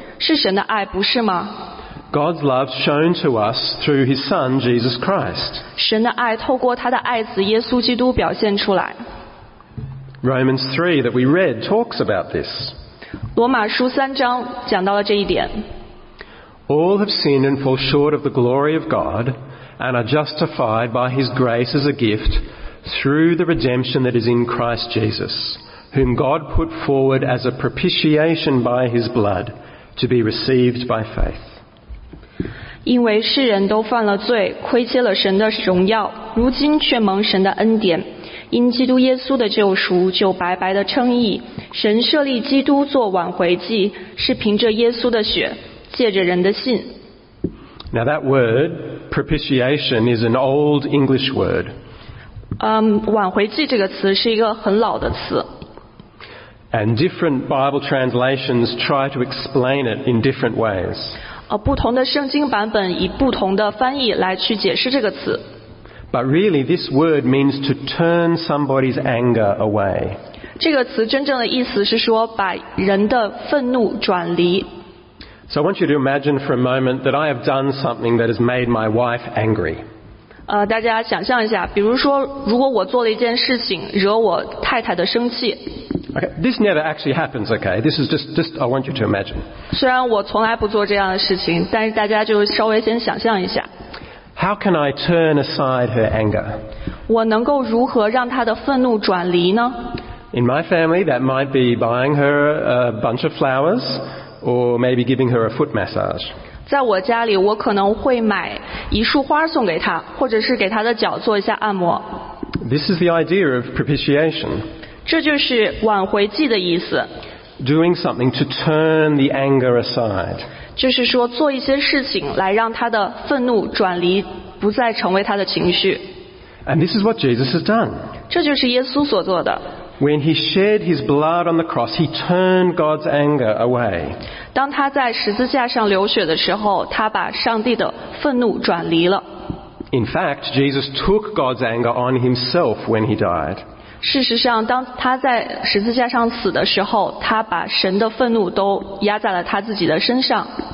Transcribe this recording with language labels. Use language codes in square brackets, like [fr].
[zh] 是神的爱，不是吗？ [en] God's love shown to us through His Son, Jesus Christ. [zh] 神的爱透过他的爱子耶稣基督表现出来。 [en] Romans 3 that we read talks about this. [zh] 罗马书三章讲到了这一点。 [en] All have sinned and fall short of the glory of God and are justified by His grace as a gift through the redemption that is in Christ Jesus, whom God put forward as a propitiation by His blood to be received by faith. [zh] 因为世人都犯了罪，亏欠了神的荣耀，如今却蒙神的恩典，因基督耶稣的救赎就白白的称义。神设立基督做挽回祭，是凭着耶稣的血，借着人的信。 [en] Now that word propitiation is an old English word. [zh] 挽回祭这个词是一个很老的词。 [en] And different Bible translations try to explain it in different ways. [zh] 不同的圣经版本以不同的翻译来去解释这个词。 [en] But really this word means to turn somebody's anger away. [zh] 这个词真正的意思是说把人的愤怒转离。 [en] So I want you to imagine for a moment that I have done something that has made my wife angry. [zh] 大家想象一下，比如说，如果我做了一件事情惹我太太的生气。 [en] Okay, this never actually happens. Okay, this is just I want you to imagine. [zh] 虽然我从来不做这样的事情，但是大家就稍微先想象一下。 [en] How can I turn aside her anger? [zh] 我能够如何让她的愤怒转离呢？ [en] In my family, that might be buying her a bunch of flowers, or maybe giving her a foot massage. [zh] 在我家里，我可能会买一束花送给她，或者是给她的脚做一下按摩。 [en] This is the idea of propitiation. [zh] 这就是挽回祭的意思。 [en] Doing something to turn the anger aside. [zh] 就是说做一些事情来让她的愤怒转离，不再成为她的情绪。 [en] And this is what Jesus has done. [zh] 这就是耶稣所做的。 [en] When he shed his blood on the cross, he turned God's anger away. [zh] 当他在十字架上流血的时候，他把上帝的愤怒转离了。 [en] In fact, Jesus took God's anger on himself when he died. [zh] 事实上，当他在十字架上死的时候，他把神的愤怒都压在了他自己的身上。